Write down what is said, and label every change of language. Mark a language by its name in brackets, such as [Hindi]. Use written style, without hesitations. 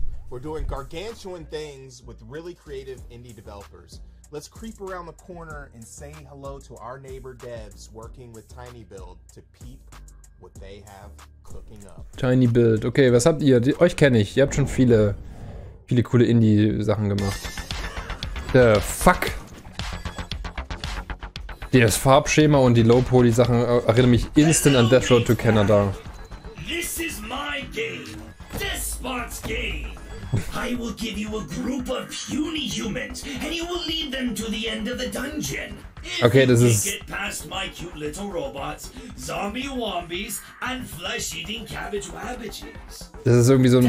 [English] We're doing gargantuan things with really creative indie developers. Let's creep around the corner and say hello to our neighbor devs working with Tiny Build to peep what they have cooking up. [German] Tiny Build, okay, was habt ihr? Euch kenne ich. Ihr habt schon viele, viele coole Indie-Sachen gemacht. [English] The fuck? [German] Das Farbschema und die Low-Poly-Sachen erinnern mich instant an Death Road to Canada. [English] This is my game. This spot's game. I will give you a group of puny humans, and you will lead them to the end of the dungeon. If okay, this you is... get past my cute little robots, zombie wombies, and flesh-eating cabbage wabbages. This is [German] irgendwie so ein